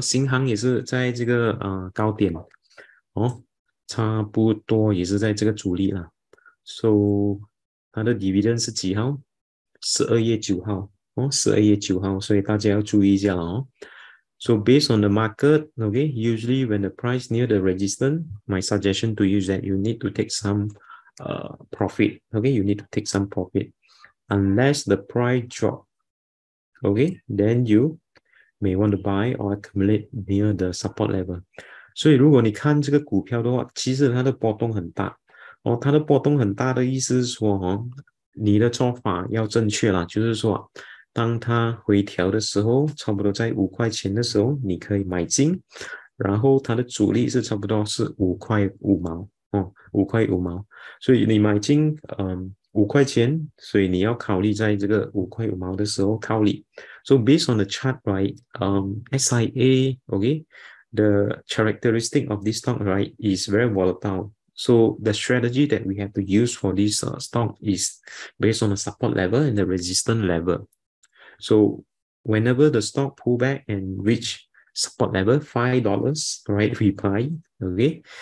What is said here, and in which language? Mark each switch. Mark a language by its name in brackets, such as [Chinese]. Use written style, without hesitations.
[Chinese] 新行也是在这个高点哦，差不多也是在这个主力了. So 它的 dividend 是几号？12月9号。哦，12月9号，所以大家要注意一下哦。 [English] So based on the market, okay, usually when the price near the resistance, my suggestion to you is that you need to take some, profit. Okay, you need to take some profit, unless the price drop. Okay, then you may want to buy or accumulate near the support level. [Chinese] 所以如果你看这个股票的话，其实它的波动很大。哦，它的波动很大的意思是说，哦，你的做法要正确啦，就是说。当它回调的时候，差不多在5块钱的时候，你可以买进。然后它的阻力是差不多是5块5毛哦，5块5毛。所以你买进，5块钱，所以你要考虑在这个5块5毛的时候套利。 [English] So based on the chart, right? SIA, okay, the characteristic of this stock, right, is very volatile. So the strategy that we have to use for this stock is based on the support level and the resistance level. So whenever the stock pull back and reach support level $5, right, we buy, okay.